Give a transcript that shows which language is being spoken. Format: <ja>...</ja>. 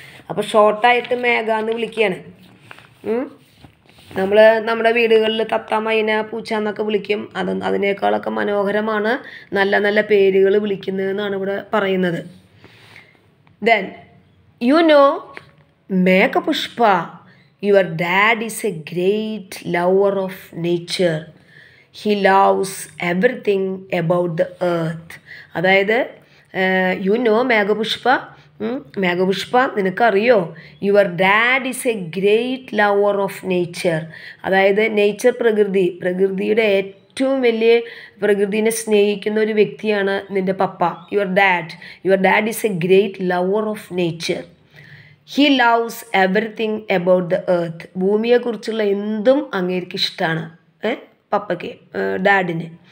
<ml>അപ്പോൾ ഷോർട്ടായിട്ട് മേഘ എന്ന് വിളിക്കുകയാണ്. നമ്മൾ നമ്മുടെ വീടുകളിൽ തത്ത, മൈന, പൂച്ച എന്നൊക്കെ വിളിക്കും. അത് അതിനേക്കാളൊക്കെ മനോഹരമാണ് നല്ല നല്ല പേരുകൾ വിളിക്കുന്നതെന്നാണ് ഇവിടെ പറയുന്നത്.</ml> <en>Then you know Meghapushpa, your dad is a great lover of nature. He loves everything about the earth. അതായത് you know Meghapushpa,</en> <ml>മേഘപുഷ്പ നിനക്കറിയോ,</ml> <en>Your dad is a great lover of nature.</en> <ml>അതായത് നേച്ചർ, പ്രകൃതി, പ്രകൃതിയുടെ ഏറ്റവും വലിയ, പ്രകൃതിനെ സ്നേഹിക്കുന്ന ഒരു വ്യക്തിയാണ് നിൻ്റെ പപ്പ,</ml> <en>Your dad. Your dad is a great lover of nature. He loves everything about the earth.</en> <ml>ഭൂമിയെക്കുറിച്ചുള്ള എന്തും അങ്ങേർക്ക് ഇഷ്ടമാണ്, പപ്പയ്ക്ക്, ഡാഡിന്.</ml>